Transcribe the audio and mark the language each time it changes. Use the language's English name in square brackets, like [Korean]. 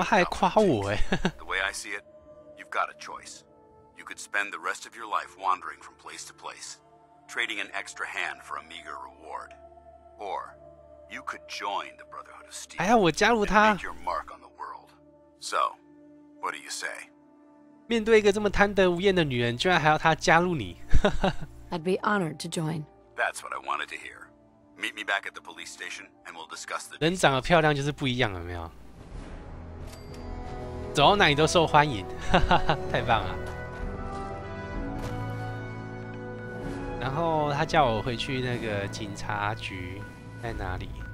[English] have to choose. The way I see it, you've got a choice. You could spend the rest of your life wandering from place to place, trading an extra hand for a meager reward, or you could join the Brotherhood of Steel and make your mark on the world. So, what do you say? [Chinese] 面对一个这么贪得无厌的女人，居然还要她加入你？ [English] I'd be honored to join. That's what I wanted to hear. Meet me back at the police station, and we'll discuss the. [Chinese] 人长得漂亮就是不一样，有没有？走到哪里都受欢迎，太棒了。然后他叫我回去那个警察局，在哪里？